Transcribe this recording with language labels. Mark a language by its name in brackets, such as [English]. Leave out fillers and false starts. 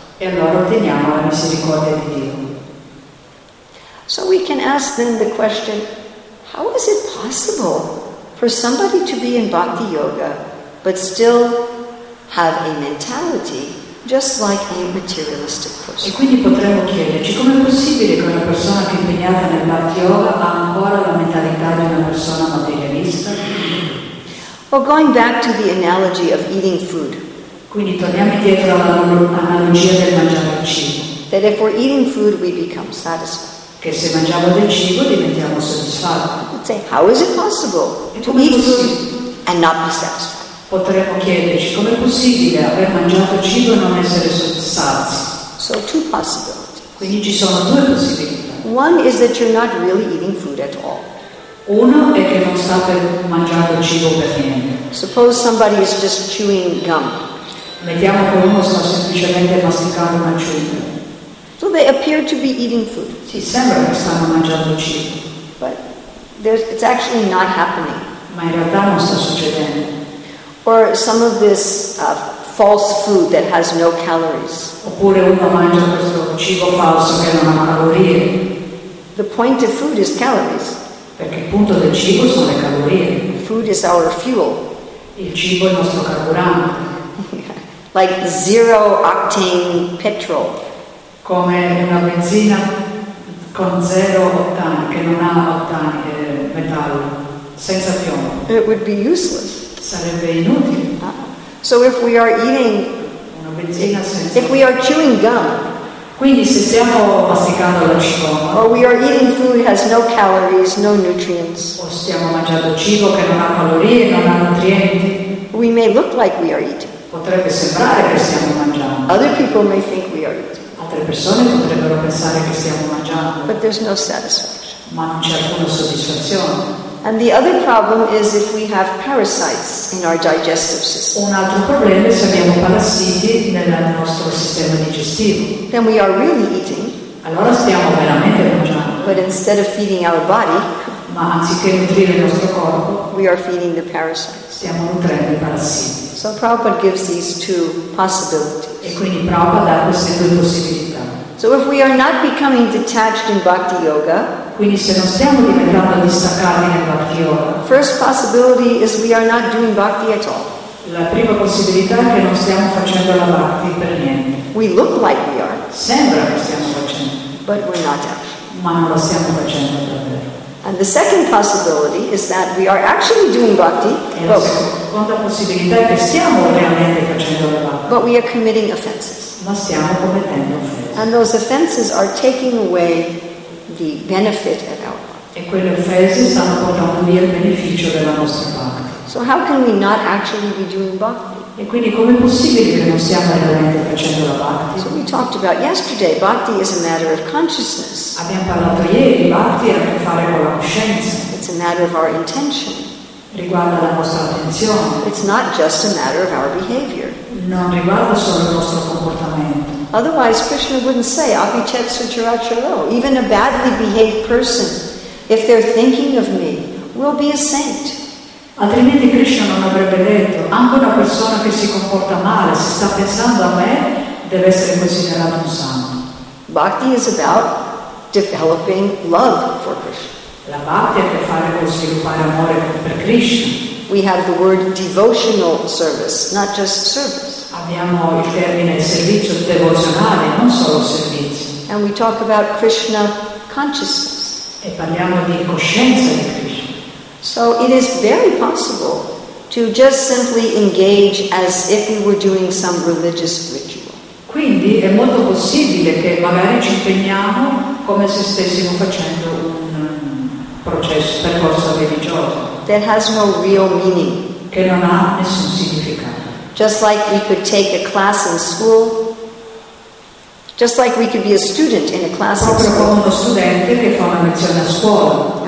[Italian] E allora otteniamo la misericordia di Dio. [English] So we can ask then the question, how is it possible for somebody to be in bhakti yoga but still have a mentality just like a materialistic person? [Italian] E quindi potremmo chiederci, com'è possibile che una persona che è impegnata nel bhakti yoga ha ancora la mentalità di una persona materialista? [English] Well, going back to the analogy of eating food. [Italian] Quindi torniamo indietro all'analogia del mangiare il cibo. [English] That if we're eating food we become satisfied. [Italian] Che se mangiamo del cibo diventiamo soddisfatti. [English] Say, how is it possible to eat food and not be satisfied? [Italian] Potremmo chiederci, com'è possibile aver mangiato cibo e non essere soddisfatti? [English] So two possibilities. [Italian] Quindi ci sono due possibilità. [English] One is that you're not really eating food at all. [Italian] Uno è che non state mangiando cibo per niente. [English] Suppose somebody is just chewing gum. [Italian] Mettiamo che uno sta semplicemente masticando una ciuma. [English] So they appear to be eating food. [Italian] Sì, sembra che stanno mangiando cibo. [English] But it's actually not happening. [Italian] Ma in realtà non sta succedendo. [English] Or some of this false food that has no calories. [Italian] Oppure uno mangia questo cibo falso che non ha calorie. [English] The point of food is calories. [Italian] Perché il punto del cibo sono le calorie. [English] Food is our fuel. [Italian] Il cibo è il nostro carburante. [English] Like zero octane petrol. [Italian] Come una benzina con zero ottani, che non ha ottani, che è metallo, senza piombo. [English] It would be useless. [Italian] Sarebbe inutile. [English] So if we are eating, [Italian] una benzina senza, [English] if we are chewing gum, [Italian] quindi se stiamo masticando la cibo, [English] or we are eating food that has no calories, no nutrients, [Italian] o stiamo mangiando cibo che non ha calorie, non ha nutrienti, [English] we may look like we are eating. [Italian] Potrebbe sembrare che stiamo mangiando. [English] Other people may think we are eating. [Italian] Altre persone potrebbero pensare che stiamo mangiando. [English] But there's no satisfaction. [Italian] Ma non c'è alcuna soddisfazione. [English] And the other problem is if we have parasites in our digestive system. [Italian] Un altro problema è se abbiamo parassiti nel nostro sistema digestivo. [English] Then we are really eating. [Italian] Allora stiamo veramente mangiando. [English] But instead of feeding our body, [Italian] ma anziché nutrire il nostro corpo, [English] we are feeding the parasites. [Italian] Stiamo nutrendo i parassiti. [English] So Prabhupada gives these two possibilities. [Italian] E quindi Prabhupada dà queste due possibilità. [English] So if we are not becoming detached in Bhakti Yoga, [Italian] quindi se non stiamo diventando distaccati nel Bhakti Yoga, [English] first possibility is we are not doing Bhakti at all. [Italian] La prima possibilità è che non stiamo facendo la Bhakti per niente. [English] We look like we are. [Italian] Sembra che stiamo facendo. [English] But we're not. [Italian] Ma non lo stiamo facendo davvero. [English] And the second possibility is that we are actually doing Bhakti, but we are committing offenses. [Italian] Ma stiamo commettendo offense. [English] And those offenses are taking away the benefit of our Bhakti. [Italian] E quelle offese stanno portando via il beneficio della nostra Bhakti. [English] So how can we not actually be doing Bhakti? [Italian] E quindi come è possibile che non stiamo realmente facendo la Bhakti? [English] So we talked about yesterday, Bhakti is a matter of consciousness. [Italian] Abbiamo parlato ieri, Bhakti ha a che fare con la coscienza. [English] It's a matter of our intention. [Italian] Riguarda la nostra attenzione. [English] It's not just a matter of our behavior. [Italian] Non riguarda solo il nostro comportamento. [English] Otherwise Krishna wouldn't say, [Sanskrit] Abhichet Sucharacharo, [English] even a badly behaved person, if they're thinking of me, will be a saint. [Italian] Altrimenti Krishna non avrebbe detto, anche una persona che si comporta male, se sta pensando a me, deve essere considerata un santo. [English] Bhakti is about developing love for Krishna. [Italian] La bhakti ha a che fare con sviluppare amore per Krishna. [English] We have the word devotional service, not just service. [Italian] Abbiamo il termine servizio devozionale, non solo servizio. [English] And we talk about Krishna consciousness. [Italian] E parliamo di coscienza di Krishna. [English] So it is very possible to just simply engage as if we were doing some religious ritual. [Italian] Quindi è molto possibile che magari ci impegniamo come se stessimo facendo un processo, percorso religioso. [English] That has no real meaning. [Italian] Che non ha nessun significato. [English] Just like we could take a class in school. Just like we could be a student in a class in school. [Italian] Proprio come uno studente che fa una lezione a scuola.